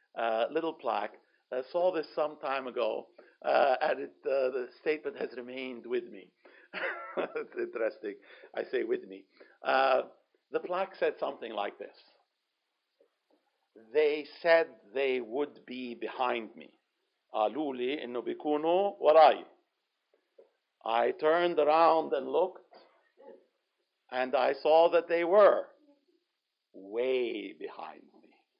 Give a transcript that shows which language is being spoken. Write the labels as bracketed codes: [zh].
[en] I saw this some time ago, and the statement has remained with me. That's interesting. I say with me. The plaque said something like this. They said they would be behind me. [ar] قالوا لي إنه بيكونوا وراي. [en] I turned around and looked, and I saw that they were way behind me.